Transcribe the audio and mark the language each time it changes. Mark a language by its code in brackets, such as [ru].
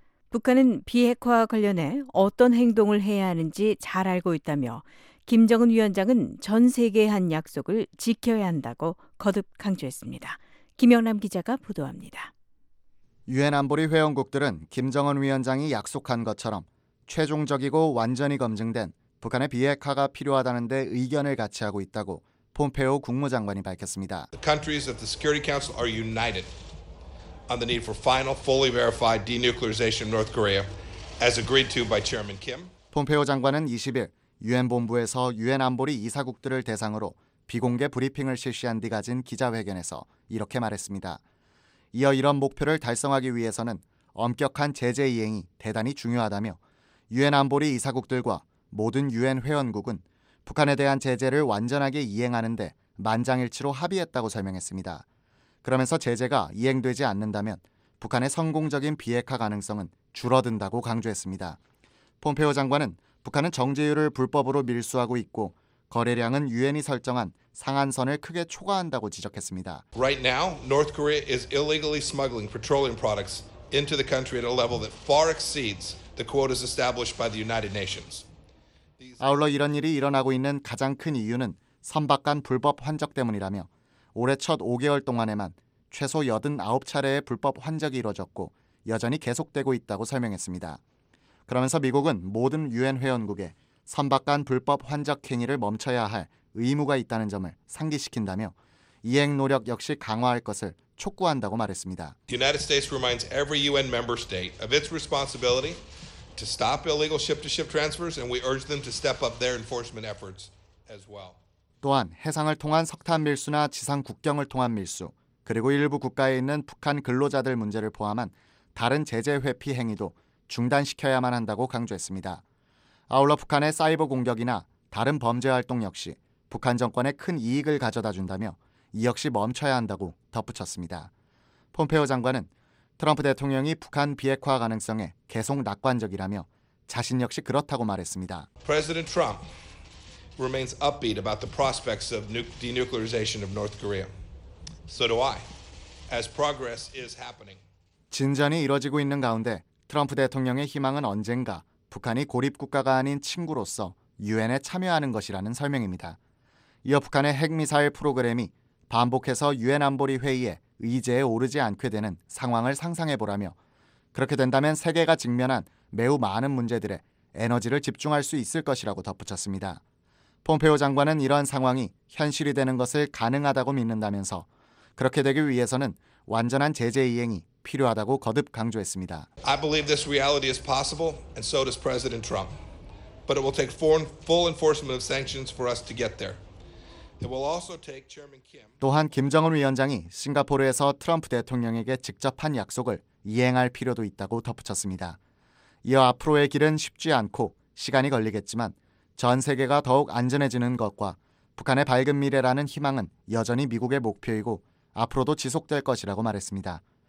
[ko] 북한은 비핵화와 관련해 어떤 행동을 해야 하는지 잘 알고 있다며 김정은 위원장은 전 세계의 한 약속을 지켜야 한다고 거듭 강조했습니다. 김영남 기자가 보도합니다. 유엔 안보리 회원국들은 김정은 위원장이 약속한 것처럼 최종적이고 완전히 검증된 북한의 비핵화가 필요하다는 데 의견을 같이 하고 있다고 폼페오 국무장관이 밝혔습니다. [en] The countries of the Security Council are united on the need for final, fully verified denuclearization of North Korea as agreed to by Chairman Kim. [ko] 폼페오 장관은 20일 유엔 본부에서 유엔 안보리 이사국들을 대상으로 비공개 브리핑을 실시한 뒤 가진 기자회견에서 이렇게 말했습니다. 이어 이런 목표를 달성하기 위해서는 엄격한 제재 이행이 대단히 중요하다며 유엔 안보리 이사국들과 모든 유엔 회원국은 북한에 대한 제재를 완전하게 이행하는 데 만장일치로 합의했다고 설명했습니다. 그러면서 제재가 이행되지 않는다면 북한의 성공적인 비핵화 가능성은 줄어든다고 강조했습니다. 폼페오 장관은 북한은 정제유를 불법으로 밀수하고 있고 거래량은 유엔이 설정한 상한선을 크게 초과한다고 지적했습니다. [en] Right now, North Korea is illegally smuggling petroleum products into the country at a level that far exceeds the quotas established by the United Nations. [ko] 아울러 이런 일이 일어나고 있는 가장 큰 이유는 선박 간 불법 환적 때문이라며 올해 첫 5개월 동안에만 최소 89차례의 불법 환적이 이뤄졌고 여전히 계속되고 있다고 설명했습니다. 그러면서 미국은 모든 유엔 회원국에 선박 간 불법 환적 행위를 멈춰야 할 의무가 있다는 점을 상기시킨다며 이행 노력 역시 강화할 것을 촉구한다고 말했습니다. [en] The United States reminds every UN member state of its responsibility to stop illegal ship-to-ship transfers and we urge them to step up their enforcement efforts as well. [ko] 또한 해상을 통한 석탄 밀수나 지상 국경을 통한 밀수, 그리고 일부 국가에 있는 북한 근로자들 문제를 포함한 다른 제재 회피 행위도 중단시켜야만 한다고 강조했습니다. 아울러 북한의 사이버 공격이나 다른 범죄 활동 역시 북한 정권에 큰 이익을 가져다 준다며 이 역시 멈춰야 한다고 덧붙였습니다. 폼페오 장관은 트럼프 대통령이 북한 비핵화 가능성에 계속 낙관적이라며 자신 역시 그렇다고 말했습니다. [en] President Trump remains upbeat about the prospects of denuclearization of North Korea. So do I. As progress is happening. [ko] 진전이 이뤄지고 있는 가운데 트럼프 대통령의 희망은 언젠가 북한이 고립 국가가 아닌 친구로서 유엔에 참여하는 것이라는 설명입니다. 이어 북한의 핵미사일 프로그램이 반복해서 유엔 안보리 회의에 의제에 오르지 않게 되는 상황을 상상해보라며 그렇게 된다면 세계가 직면한 매우 많은 문제들에 에너지를 집중할 수 있을 것이라고 덧붙였습니다. 폼페오 장관은 이러한 상황이 현실이 되는 것을 가능하다고 믿는다면서 그렇게 되기 위해서는 완전한 제재 이행이 필요하다고 거듭 강조했습니다. [en] I believe this reality is possible and so does President Trump. But it will take full enforcement of sanctions for us to get there. It will also take Chairman Kim. [ko] 또한 김정은 위원장이 싱가포르에서 트럼프 대통령에게 직접 한 약속을 이행할 필요도 있다고 덧붙였습니다. 이어 앞으로의 길은 쉽지 않고 시간이 걸리겠지만 전 세계가 더욱 안전해지는 것과 북한의 밝은 미래라는 희망은 여전히 미국의 목표이고 앞으로도 지속될 것이라고 말했습니다.